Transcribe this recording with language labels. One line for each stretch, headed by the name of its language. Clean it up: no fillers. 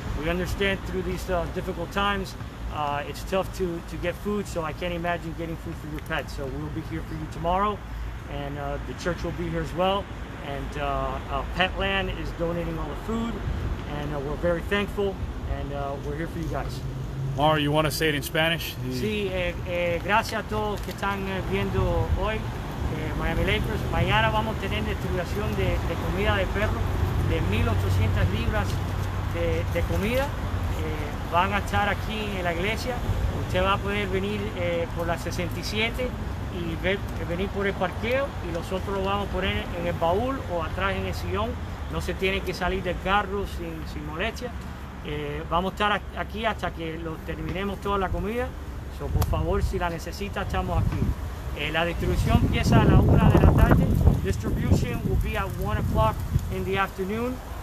English: We understand through these difficult times, it's tough to get food, so I can't imagine getting food for your pet. So we'll be here for you tomorrow, and the church will be here as well. And Petland is donating all the food, and we're very thankful, and we're here for you guys. Mario, you want to say it in Spanish?
Spanish: Sí, gracias a todos que están viendo hoy, Miami Lakers. Mañana vamos a tener distribución de comida de perro, de 1,800 libras de comida. Van a estar aquí en la iglesia. Usted va a poder venir por la 67 y venir por el parqueo, y nosotros lo vamos a poner en el baúl o atrás en el sillón. No se tiene que salir del carro sin molestia. Vamos a estar aquí hasta que lo terminemos toda la comida. So, por favor, si la necesita, estamos aquí. La distribución empieza a la 1 de la tarde.
English: Distribution will be at 1 o'clock in the afternoon.